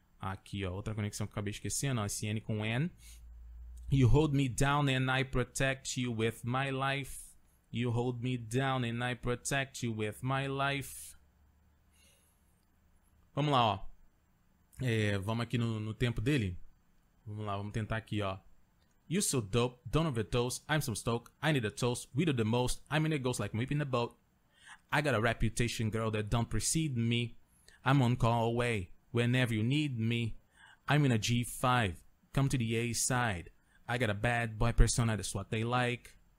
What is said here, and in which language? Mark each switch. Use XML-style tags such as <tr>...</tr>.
<pt>Aqui, ó, outra conexão que eu acabei esquecendo, ó, esse N com N.</pt> <en>You hold me down and I protect you with my life. You hold me down and I protect you with my life.</en> <pt>Vamos lá, ó. É, vamos aqui no tempo dele. Vamos lá, vamos tentar aqui, ó.</pt> <en>You so dope, don't overdose, I'm so stoked, I need a toast, we do the most, I'm in a ghost like whipping a boat. I got a reputation, girl, that don't precede me. I'm on call away, whenever you need me. I'm in a G5, come to the A side. I got a bad boy persona, that's what they like.</en>